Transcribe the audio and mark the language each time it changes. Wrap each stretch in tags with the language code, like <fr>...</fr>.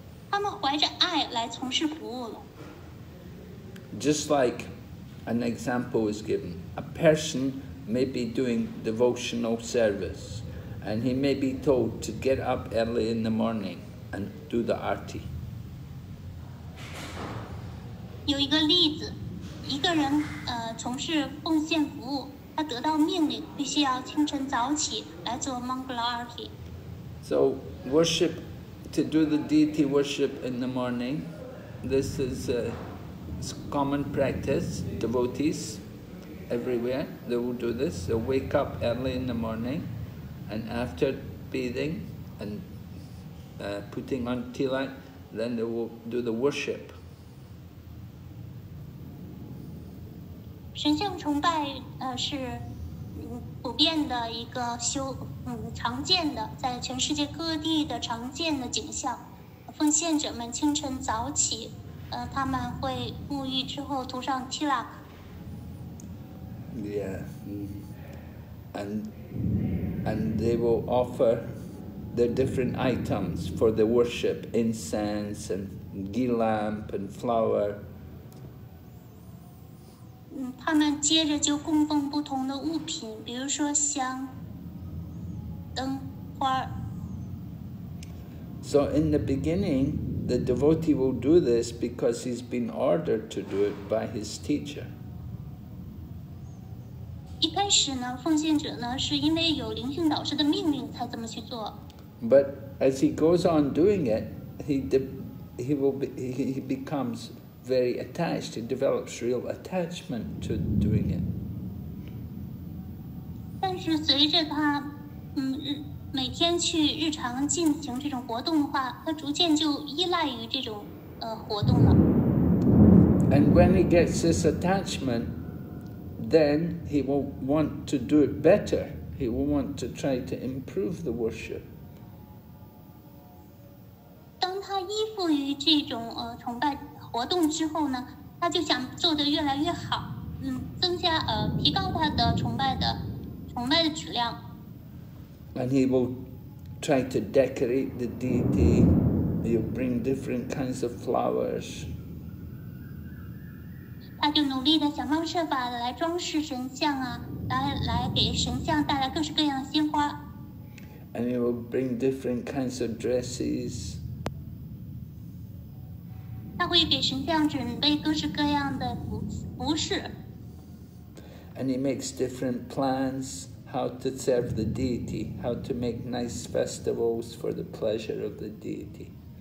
<zh>他们怀着爱来从事服务了。</zh> <en>Just like an example is given, a person may be doing devotional service and he may be told to get up early in the morning and do the arti.</en> <zh>有一个例子，一个人从事奉献服务，他得到命令必须要清晨早起来做 Mangala arti.</zh> <en>So worship, to do the deity worship in the morning, this is It's common practice, devotees everywhere, they will do this. They'll wake up early in the morning and after bathing and putting on tilak, then they will do the worship.</en> <zh>神像崇拜是普遍的一个修常见的在全世界各地的常见的景象。奉献者们清晨早起他们会沐浴之后涂上 tilak。</zh> <en>Yeah, and they will offer their different items for the worship, incense and ghee lamp and flower.</en> <zh>他们接着就供奉不同的物品，比如说香、灯、花。</zh> <en>So in the beginning. The devotee will do this because he's been ordered to do it by his teacher.</en> <zh>一开始呢，奉献者呢，是因为有灵性导师的命令才这么去做。</zh> <en>But as he goes on doing it, he becomes very attached. He develops real attachment to doing it.</en> <zh>但是随着他，每天去日常进行这种活动的话，他逐渐就依赖于这种活动了。</zh> <en>And when he gets this attachment, then he will want to do it better. He will want to try to improve the worship.</en> <zh>当他依附于这种崇拜活动之后呢，他就想做得越来越好，增加提高他的崇拜的质量。</zh> <en>And he will try to decorate the deity. He'll bring different kinds of flowers.</en> <zh>他就努力地想方设法地来装饰神像啊，来给神像带来各式各样的鲜花。</zh> <en>And he will bring different kinds of dresses.</en> <zh>他会给神像准备各式各样的服饰。</zh> <en>And he makes different plans. How to serve the deity, how to make nice festivals for the pleasure of the deity.</en>